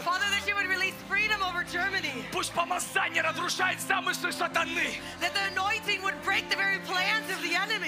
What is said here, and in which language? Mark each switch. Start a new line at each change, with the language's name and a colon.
English: Father, that you would release freedom over Germany.
Russian: Пусть помазание разрушает замыслы сатаны.
English: That the anointing would break the very plans of the enemy.